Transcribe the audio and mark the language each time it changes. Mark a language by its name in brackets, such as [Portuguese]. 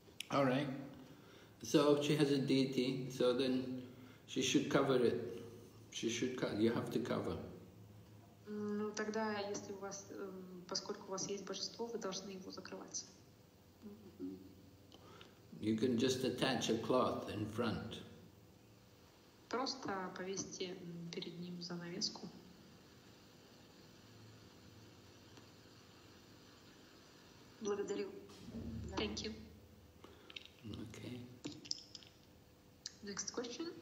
[English] All right. So she has a deity. So then, she should cover it. She should. You have to cover. [Russian] Ну тогда, если у вас, поскольку у вас есть божество, вы должны его закрывать. [English] You can just attach a cloth in front. [Russian] Просто повесьте перед ним занавеску. Благодарю. [English] Thank you. Okay. Next question.